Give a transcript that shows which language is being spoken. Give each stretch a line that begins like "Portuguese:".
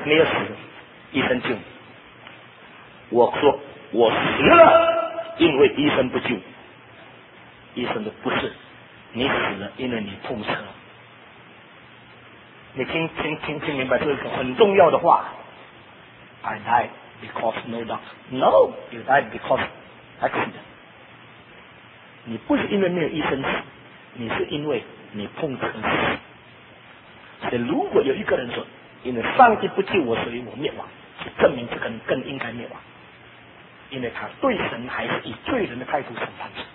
Chinese: 没有死，医生救你。我说我死了，因为医生不救。医生说不是，你死了，因为你碰车。你听明白，这是很重要的话。
English: I died because no doctor. No, you died because accident.
Chinese: 你不是因为没有医生死，你是因为你碰车死。所以如果有一个人说因为上帝不救我所以我灭亡，就证明这个人更应该灭亡，因为他对神还是以罪人的态度审判。